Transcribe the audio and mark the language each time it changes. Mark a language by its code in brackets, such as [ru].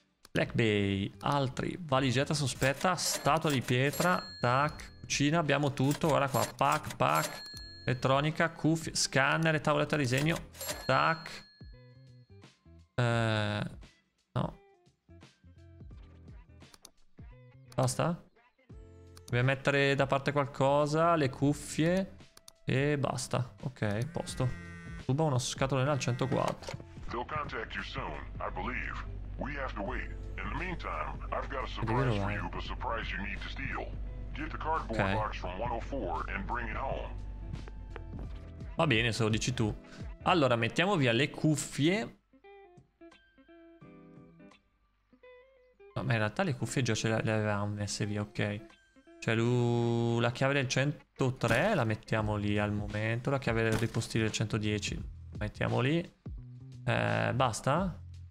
[it] Black Bay, altri, valigetta sospetta, statua di pietra, tac, cucina, abbiamo tutto, guarda qua, pack, elettronica, cuffie, scanner e tavoletta di disegno, tac, no, basta, dobbiamo mettere da parte qualcosa, le cuffie, E basta. Ok, posto. Ruba una scatola nera al 104. [en] They'll contact you soon, I believe. We have to wait. In the meantime, I've got a surprise for you, a surprise you need to steal. Get the cardboard box from 104 and bring it home. [it] Va bene, se lo dici tu. Allora, mettiamo via le cuffie. No, ma in realtà le cuffie già ce le avevamo messe via, ok. Cioè, la chiave del 103 la mettiamo lì al momento. La chiave del ripostiglio del 110 mettiamo lì. Basta?